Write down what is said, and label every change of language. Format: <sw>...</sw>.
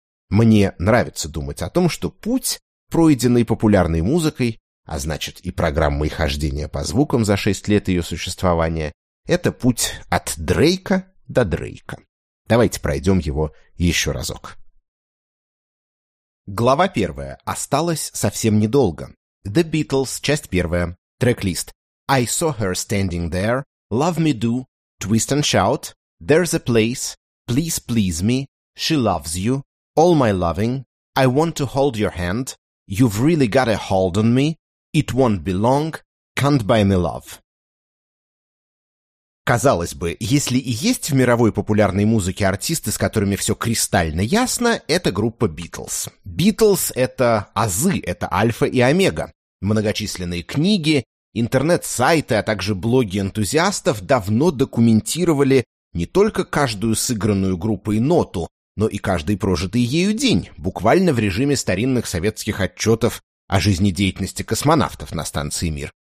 <ru>Мне нравится думать о том, что путь, пройденный популярной музыкой, а значит и программой «Хождения по звукам» за 6 лет ее существования, это путь от Дрейка до Дрейка. Давайте пройдем его еще разок. Глава 1. Осталось совсем недолго. The Beatles, часть 1. Трек-лист.</ru> <en>I saw her standing there. Love me do. Twist and shout. There's a place, please please me, she loves you, all my loving, I want to hold your hand, you've really got a hold on me, it won't be long, can't buy me love.</en> <ru>Казалось бы, если и есть в мировой популярной музыке артисты, с которыми все кристально ясно, это группа Beatles. Beatles — это азы, это альфа и омега. Многочисленные книги, интернет-сайты, а также блоги энтузиастов давно документировали не только каждую сыгранную группой ноту, но и каждый прожитый ею день, буквально в режиме старинных советских отчетов о жизнедеятельности космонавтов на станции «Мир».</ru>